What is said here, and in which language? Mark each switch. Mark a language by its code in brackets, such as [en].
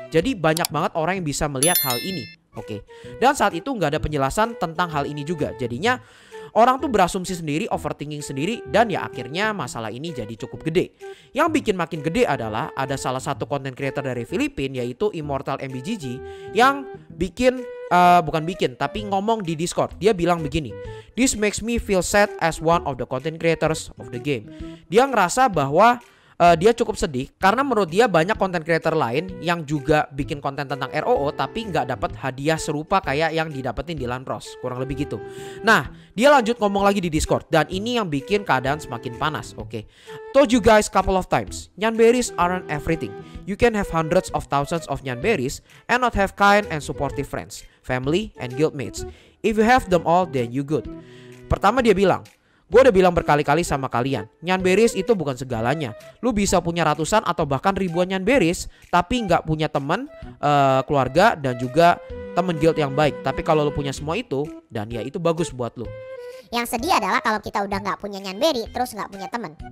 [id] Jadi banyak banget orang yang bisa melihat hal ini. Oke. Dan saat itu nggak ada penjelasan tentang hal ini juga. Jadinya orang tuh berasumsi sendiri, overthinking sendiri, dan ya akhirnya masalah ini jadi cukup gede. Yang bikin makin gede adalah ada salah satu content creator dari Filipina yaitu Immortal MBGG yang bikin, tapi ngomong di Discord. Dia bilang begini, [en] "This makes me feel sad as one of the content creators of the game." [id] Dia ngerasa bahwa dia cukup sedih karena menurut dia banyak content creator lain yang juga bikin konten tentang ROO tapi nggak dapat hadiah serupa kayak yang didapetin Dylan Pros, kurang lebih gitu. Nah, dia lanjut ngomong lagi di Discord dan ini yang bikin keadaan semakin panas. Oke. Okay. [en] "Told you guys couple of times, nyanberries aren't everything. You can have hundreds of thousands of nyanberries and not have kind and supportive friends, family and guildmates. If you have them all, then you good." [id] Pertama dia bilang, "Gue udah bilang berkali-kali sama kalian, nyanberries itu bukan segalanya. Lu bisa punya ratusan atau bahkan ribuan nyanberries, tapi gak punya temen, keluarga, dan juga temen guild yang baik. Tapi kalau lu punya semua itu, dan ya itu bagus buat lu." Yang sedih adalah kalau kita udah gak punya nyanberry, terus gak punya temen.